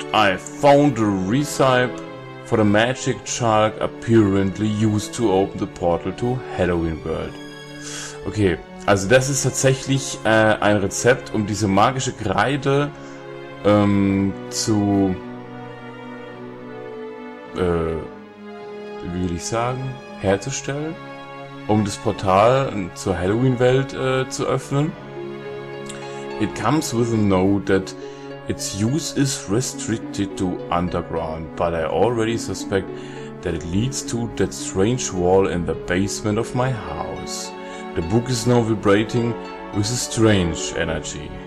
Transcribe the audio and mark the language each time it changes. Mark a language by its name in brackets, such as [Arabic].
[English] I found a recipe for the magic chalk apparently used to open the portal to Halloween World. [German] Okay, also das ist tatsächlich ein Rezept, um diese magische Kreide zu wie will ich sagen, herzustellen, um das Portal zur Halloween Welt zu öffnen. [English] It comes with a note that its use is restricted to underground, but I already suspect that it leads to that strange wall in the basement of my house. The book is now vibrating with a strange energy.